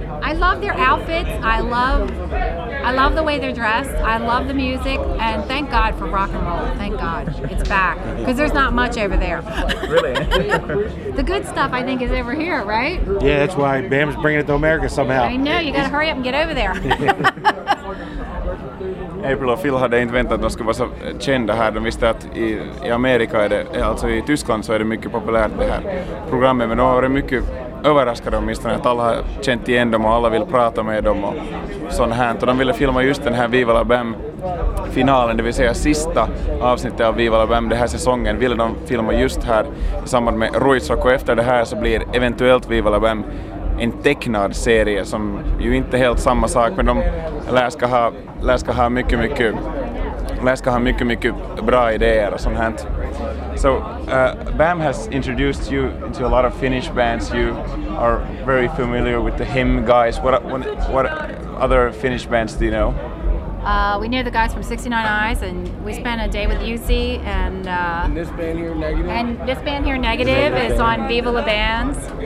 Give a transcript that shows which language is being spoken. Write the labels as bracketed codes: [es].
[en] I love their outfits. I love the way they're dressed. I love the music. And thank God for rock and roll. Thank God. It's back. Because there's not much over there. Really? The good stuff, I think, is over here, right? Yeah, that's why Bam's bringing it to America somehow. I know. You got to hurry up and get over there. [sv] April och Phil hade inte väntat att de skulle vara så kända här. De visste att i Amerika, är det, alltså i Tyskland, så är det mycket populärt det här programmet. Men de har varit mycket överraskade åtminstone att alla har känt igen dem och alla vill prata med dem och sånt här. Och de ville filma just den här Viva La Bam-finalen, det vill säga sista avsnittet av Viva La Bam, den här säsongen, ville de filma just här i samband med Ruizrock. Och efter det här så blir eventuellt Viva La Bam en tecknad serie som ju inte helt samma sak, men de lär ska ha mycket bra idéer och sånt här. [en] So Bam has introduced you into a lot of Finnish bands. You are very familiar with the Him guys. What other Finnish bands do you know? We know the guys from 69 Eyes, and we spent a day with Uzi, and this band here, Negative, is on Viva La Bands.